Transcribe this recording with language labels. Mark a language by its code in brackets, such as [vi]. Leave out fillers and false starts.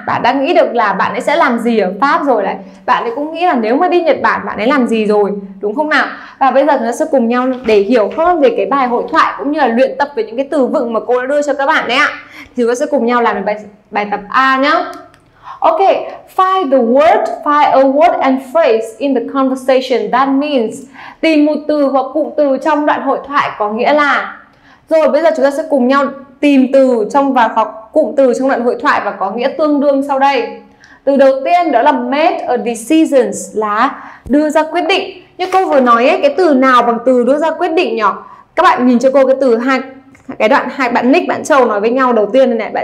[vi] Bạn đã nghĩ được là bạn ấy sẽ làm gì ở Pháp rồi đấy. Bạn ấy cũng nghĩ là nếu mà đi Nhật Bản bạn ấy làm gì rồi, đúng không nào? Và bây giờ chúng ta sẽ cùng nhau để hiểu hơn về cái bài hội thoại cũng như là luyện tập về những cái từ vựng mà cô đã đưa cho các bạn đấy ạ. Thì chúng ta sẽ cùng nhau làm bài tập A nhá. [en] Ok, find a word and phrase in the conversation that means. [vi] Tìm một từ hoặc cụm từ trong đoạn hội thoại có nghĩa là. Rồi bây giờ chúng ta sẽ cùng nhau tìm từ trong và hoặc cụm từ trong đoạn hội thoại và có nghĩa tương đương sau đây. Từ đầu tiên đó là made a decision, là đưa ra quyết định. Như cô vừa nói ấy, cái từ nào bằng từ đưa ra quyết định nhỉ? Các bạn nhìn cho cô cái từ hai, cái đoạn hai bạn Nick, bạn Châu nói với nhau đầu tiên này.